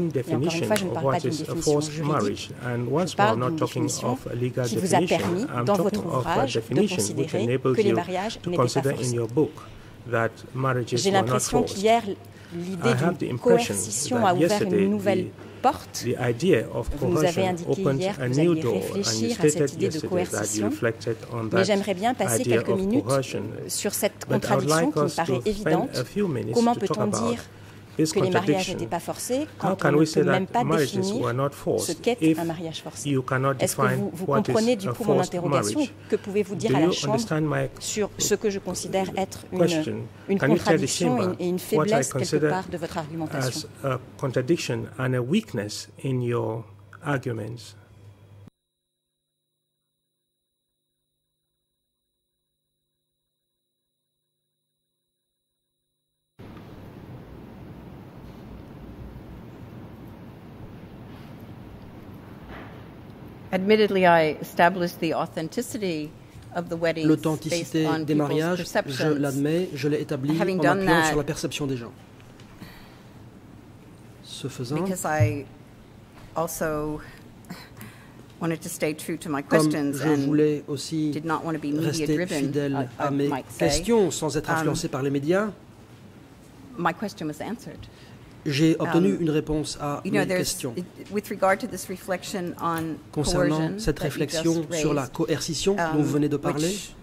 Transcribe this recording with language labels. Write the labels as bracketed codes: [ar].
[fr] Et encore une fois, je ne parle pas d'une définition juridique. Je parle d'une définition qui vous a permis, dans votre ouvrage, de considérer que les mariages n'étaient pas forcés. J'ai l'impression qu'hier, l'idée d'une coercition a ouvert une nouvelle [en] The idea of coercion opened a new door, and you stated yesterday that you reflected on that idea of coercion. But I would like us to spend a few minutes to talk about this contradiction. How can we say that marriages were not forced if you cannot define what is a forced marriage? Do you understand my question? Can you tell the Chamber what I consider as a contradiction and a weakness in your arguments? Admittedly, I established the authenticity of the weddings based on people's perceptions. [fr] L'authenticité des mariages, je l'admets, je l'ai établi en appuyant sur la perception des gens. Ce faisant, [en] because I also wanted to stay true to my questions [fr] je voulais aussi rester fidèle à mes questions sans être influencé par les médias, [en] my question was answered. [fr] J'ai obtenu une réponse à mes questions. [en] With regard to this reflection on [fr] concernant [en] coercion [fr] cette réflexion sur la coercition dont vous venez de parler,